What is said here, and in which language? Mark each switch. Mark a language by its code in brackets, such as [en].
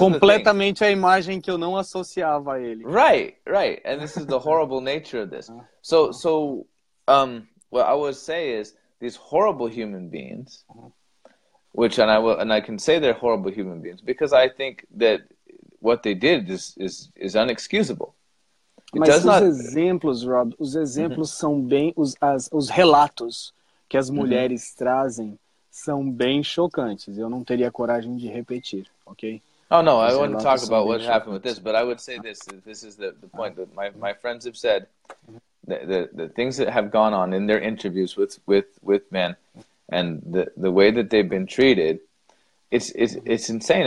[pt] completamente a imagem que eu não associava a ele. [en] Right, right. And this is the horrible nature of this. So what I would say is these horrible human beings, which I can say they're horrible human beings because I think that what they did is inexcusable. [pt] Mas exemplos, Rob, os exemplos são bem, os relatos que as mulheres trazem são bem chocantes. Eu não teria coragem de repetir, ok? [en] Oh, no, I wouldn't talk about what happened with this, but I would say this is the point that my friends have said, the things that have gone on in their interviews with men and the way that they've been treated, it's insane.